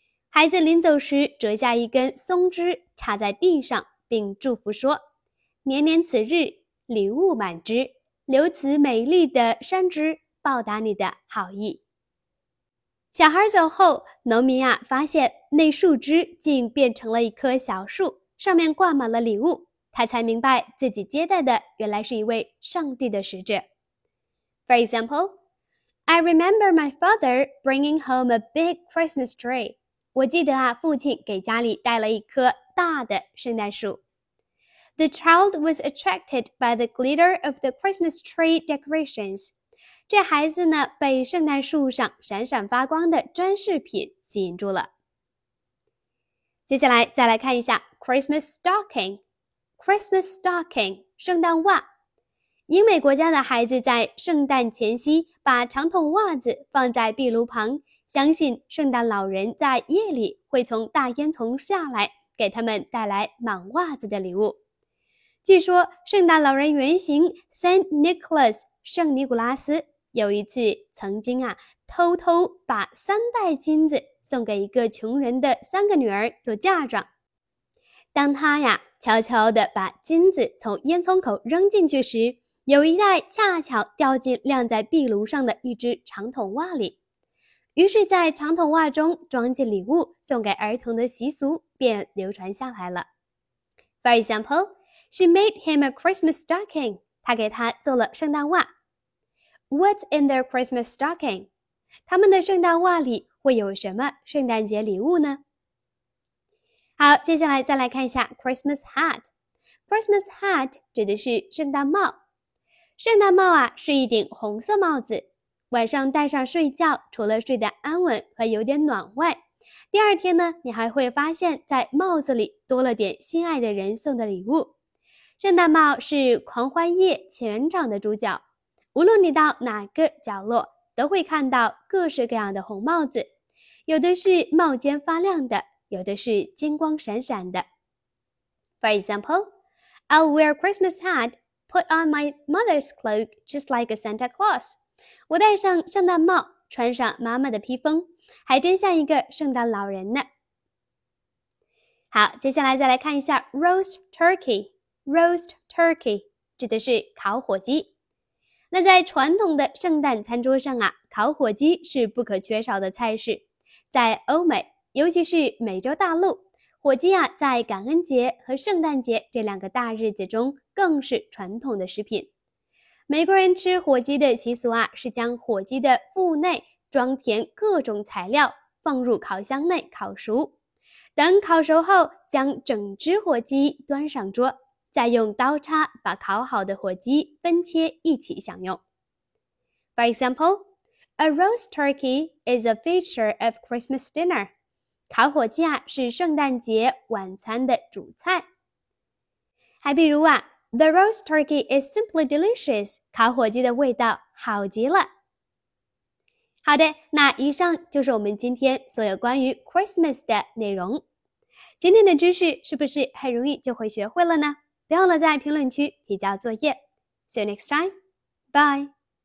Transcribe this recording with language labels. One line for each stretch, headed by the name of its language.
Chinese: 孩子临走时折下一根松枝插在地上，并祝福说，年年此日礼物满枝，留此美丽的山枝报答你的好意。小孩走后，农民啊发现那树枝竟变成了一棵小树，上面挂满了礼物，他才明白自己接待的原来是一位上帝的使者。
English: For example, I remember my father bringing home a big Christmas tree.
Chinese: 我记得啊，父亲给家里带了一棵大的圣诞树。
English: The child was attracted by the glitter of the Christmas tree decorations.
Chinese: 这孩子呢，被圣诞树上闪闪发光的装饰品吸引住了。接下来再来看一下 Christmas stocking， Christmas stocking 圣诞袜。英美国家的孩子在圣诞前夕把长筒袜子放在壁炉旁，相信圣诞老人在夜里会从大烟囱下来，给他们带来满袜子的礼物。据说圣诞老人原型 Saint Nicholas。圣尼古拉斯有一次曾经啊，偷偷把三袋金子送给一个穷人的三个女儿做嫁妆。当他呀悄悄地把金子从烟囱口扔进去时，有一袋恰巧掉进晾在壁炉上的一只长筒袜里。于是在长筒袜中装进礼物送给儿童的习俗便流传下来了。
English: For example, she made him a Christmas stocking.
Chinese: 她给他做了圣诞袜。
English: What's in their Christmas stocking?
Chinese: 他们的圣诞袜里会有什么圣诞节礼物呢？好，接下来再来看一下 Christmas hat。Christmas hat 指的是圣诞帽。圣诞帽啊，是一顶红色帽子。晚上戴上睡觉，除了睡得安稳和有点暖外，第二天呢，你还会发现在帽子里多了点心爱的人送的礼物。圣诞帽是狂欢夜全场的主角，无论你到哪个角落，都会看到各式各样的红帽子，有的是帽尖发亮的，有的是金光闪闪的。
English: For example, I'll wear Christmas hat, put on my mother's cloak just like a Santa Claus.
Chinese: 我戴上圣诞帽，穿上妈妈的披风，还真像一个圣诞老人呢。好，接下来再来看一下 roast turkey。roast turkey 指的是烤火鸡。那在传统的圣诞餐桌上啊，烤火鸡是不可缺少的菜式。在欧美，尤其是美洲大陆，火鸡啊，在感恩节和圣诞节这两个大日子中，更是传统的食品。美国人吃火鸡的习俗啊，是将火鸡的腹内装填各种材料，放入烤箱内烤熟。等烤熟后，将整只火鸡端上桌，再用刀叉把烤好的火鸡分切一起享用。
English: For example, a roast turkey is a feature of Christmas dinner.
Chinese: 烤火鸡啊，是圣诞节晚餐的主菜。还比如啊，
English: The roast turkey is simply delicious.
Chinese: 烤火鸡的味道好极了。好的，那以上就是我们今天所有关于 Christmas 的内容。今天的知识是不是很容易就会学会了呢？不要忘了在评论区提交作业。
English: See you next time. Bye.